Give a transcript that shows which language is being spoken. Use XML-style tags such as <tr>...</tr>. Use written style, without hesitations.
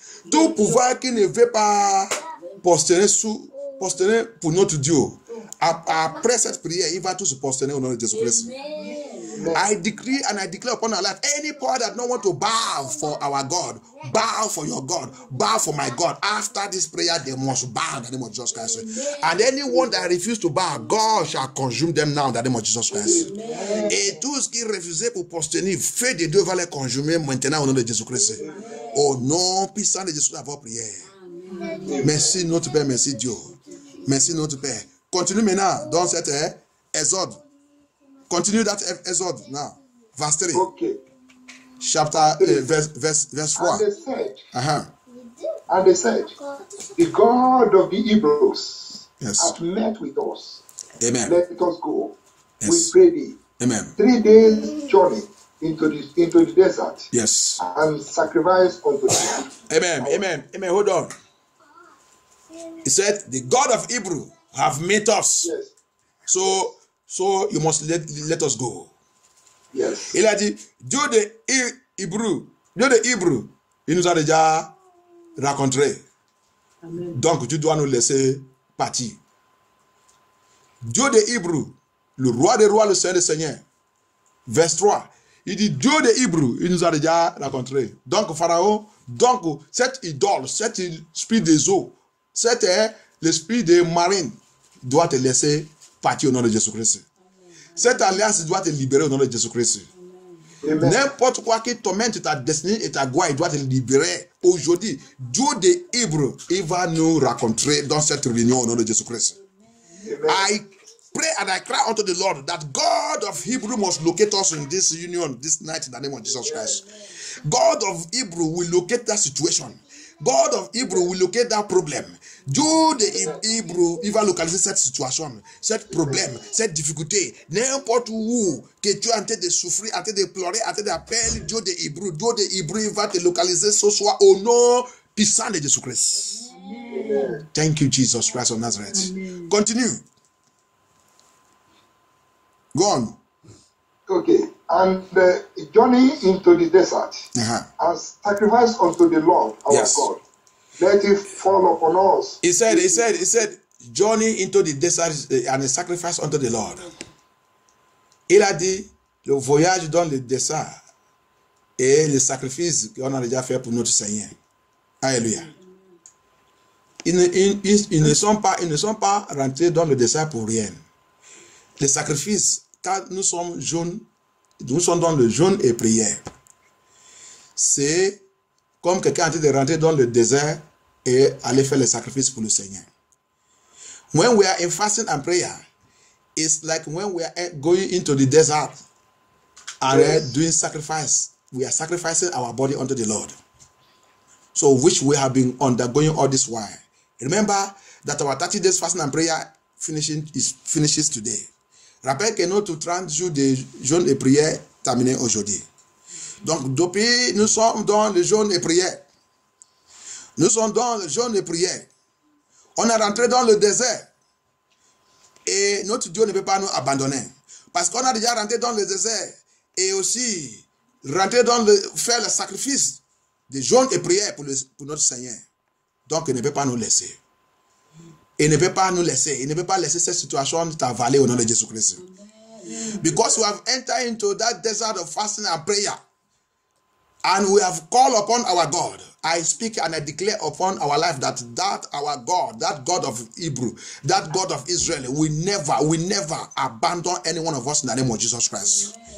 <fr>Tout pouvoir qui ne veut pas postérer pour notre Dieu. Après cette prière, il va tous se postérer au nom de Jésus-Christ.</fr> <en>I decree and I declare upon our life, any power that no want to bow for our God, bow for your God, bow for my God. After this prayer, they must bow in the name of Jesus Christ. Amen. And anyone that refuse to bow, God shall consume them now in the name of Jesus Christ. Amen.</en> <fr>Et tous qui refusaient pour postérer, fait de Dieu va les consumer maintenant au nom de Jésus Christ. Au nom puissant de Jésus, à vos prières. Merci notre Père, merci Dieu. Merci notre Père. Continue maintenant dans cet exode.</fr> <en>Continue that exode now. Verse 3. Okay. Chapter, verse 4. And they said, And they said, the God of the Hebrews yes. hath met with us. Amen. Let us go. Yes. We pray thee. Amen. 3 days journey into the desert. Yes. And sacrifice unto thee. Amen. Hold on. He said, the God of Hebrew have met us. Yes. So you must let us go. Yes.</en> <fr>Il a dit, Dieu de Hébreu, il nous a déjà raconté. Amen. Donc tu dois nous laisser partir. Dieu de Hébreu, le roi des rois, le Seigneur des Seigneurs.</fr> <en>Verse 3.</en> <fr>Il dit, Dieu de Hébreu, il nous a déjà raconté. Donc Pharaon, donc cette idole, cet esprit des eaux, cette l'esprit de marine doit te laisser partir au nom de Jésus-Christ. Cette alliance doit te libérer au nom de Jésus-Christ. N'importe quoi qui tormente ta destinée et ta gloire, il doit te libérer aujourd'hui. Dieu des Hébreux, il va nous raconter dans cette réunion au nom de Jésus-Christ.</fr> <en>I pray and I cry unto the Lord that God of Hebrew must locate us in this union this night in the name of Jesus Christ. God of Hebrew will locate that situation. God of Hebrew will locate that problem.</en> <fr>Dieu des Hébreux, il va localiser cette situation, cette problème, cette difficulté. N'importe où que tu es en train de souffrir, en train de pleurer, en train d'appeler Dieu des Hébreux. Dieu des Hébreux, il va te localiser ce soir au nom puissant de Jésus-Christ.</fr> <en>Thank you, Jesus Christ of Nazareth. Continue. Go on. Okay. And the journey into the desert as sacrifice unto the Lord our God. Let it fall upon us. He said, journey into the desert and a sacrifice unto the Lord.</en> <fr>Il a dit, le voyage dans le désert et le sacrifice qu'on a déjà fait pour notre Seigneur. Alléluia. Ils ne sont pas rentrés dans le désert pour rien. Le sacrifice, quand nous sommes jeunes, nous sommes dans le jeûne et prière. C'est comme quelqu'un en train de rentrer dans le désert et aller faire le sacrifice pour le Seigneur.</fr> <en>When we are in fasting and prayer, it's like when we are going into the desert and doing sacrifice. We are sacrificing our body unto the Lord. So which we have been undergoing all this while. Remember that our 30 days fasting and prayer finishes today.</en> <fr>Rappelle que notre 30 jours de jeûne et prière terminé aujourd'hui. Donc, depuis, nous sommes dans le jeûne et prière. Nous sommes dans le jeûne et prière. On est rentré dans le désert. Et notre Dieu ne peut pas nous abandonner. Parce qu'on a déjà rentré dans le désert. Et aussi, faire le sacrifice de jeûne et prière pour notre Seigneur. Donc, il ne peut pas nous laisser. Il ne peut pas laisser cette situation t'avaler au nom de Jésus-Christ.</fr> <en>Because we have entered into that desert of fasting and prayer. And we have called upon our God. I speak and I declare upon our life that our God, that God of Hebrew, that God of Israel, will never abandon any one of us in the name of Jesus Christ.</en>